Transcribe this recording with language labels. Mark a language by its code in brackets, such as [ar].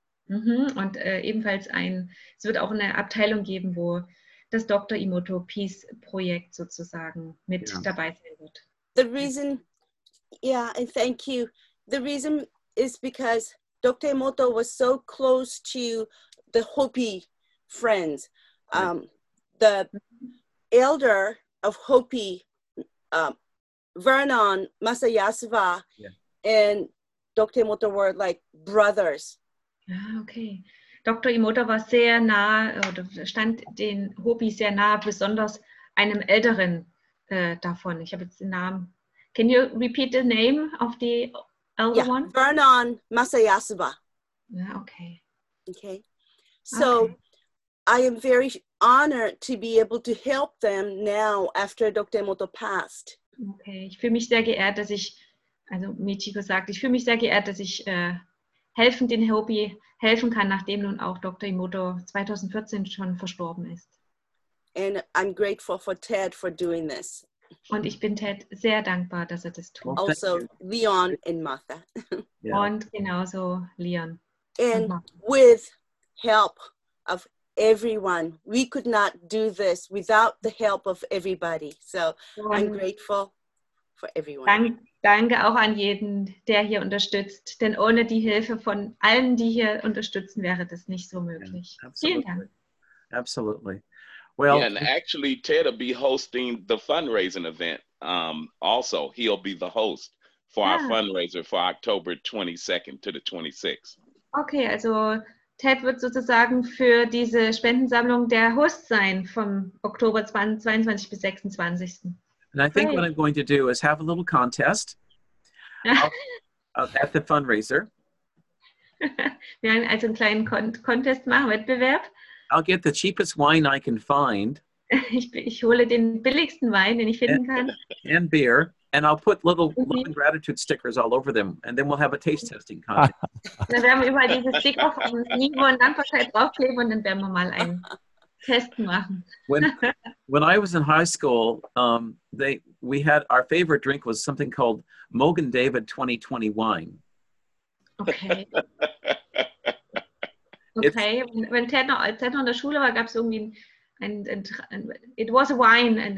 [de] Mm-hmm. Und ebenfalls es wird auch eine Abteilung geben, wo das Dr. Emoto Peace Projekt sozusagen mit dabei sein wird. [en] The reason, yeah, and thank you. The reason is because Dr. Emoto was so close to the Hopi friends. The elder of Hopi, Vernon Masayasva, yeah, and Dr. Emoto were like brothers. Ah, okay. Dr. [de] Emoto war sehr nah, oder stand den Hopi sehr nah, besonders einem älteren davon. Ich habe jetzt den Namen. [en] Can you repeat the name of the elder one? Vernon Masayasva. Okay. Okay. So, okay. I am very honored to be able to help them now after Dr. Emoto passed. Okay. [de] Ich fühle mich sehr geehrt, dass ich, also Michiko sagt, ich fühle mich sehr geehrt, dass ich helfen den Hopi helfen kann, nachdem nun auch Dr. Emoto 2014 schon verstorben ist. [en] And I'm grateful for Ted for doing this. [de] Und ich bin Ted sehr dankbar, dass er das tut. [en] Also Leon and Martha. [de] Yeah. Und genauso Leon. [en] And with help of everyone, we could not do this without the help of everybody. So I'm grateful for everyone. [de] Danke auch an jeden, der hier unterstützt. Denn ohne die Hilfe von allen, die hier unterstützen, wäre das nicht so möglich. Yeah, vielen Dank. [en] Absolutely. Well, yeah, and actually, Ted will be hosting the fundraising event. Also, he'll be the host for our fundraiser for October 22nd to the 26th. [de] Okay, also Ted wird sozusagen für diese Spendensammlung der Host sein vom Oktober 22 bis 26. [en] And I think what I'm going to do is have a little contest at the fundraiser. [de] Wir werden also einen kleinen Contest machen, Wettbewerb. [en] I'll get the cheapest wine I can find. [de] Ich hole den billigsten Wein, den ich finden kann. [en] And beer. And I'll put little love and gratitude stickers all over them. And then we'll have a taste testing contest. [de] Dann werden wir überall diese Sticker von Niveau und Dankbarkeit draufkleben und dann werden wir mal einen Testen machen. [en] When I was in high school, we had our favorite drink was something called Mogan David 2020 wine. [de] Okay. When Ted noch in der Schule war, gab es irgendwie [en] it was wine.